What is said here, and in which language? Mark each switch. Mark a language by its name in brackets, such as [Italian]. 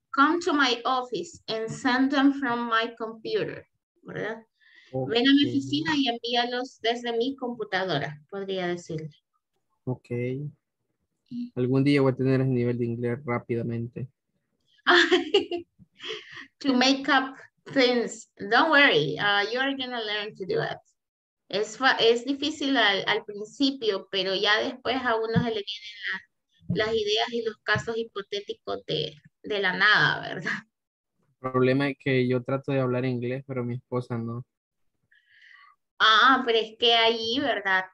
[English] Come to my office and send them from my computer. Okay. [Spanish] Ven a mi oficina y envíalos desde mi computadora, podría decirle. [English] Ok. [Spanish] Algún día voy a tener el nivel de inglés rápidamente. [English] To make up. Things, don't worry, you are going to learn to do it. [Spanish] Es difícil al principio, pero ya después a uno se le vienen las ideas y los casos hipotéticos de la nada, ¿verdad? El problema es que yo trato de hablar inglés, pero mi esposa no. Ah, pero es que ahí, ¿verdad?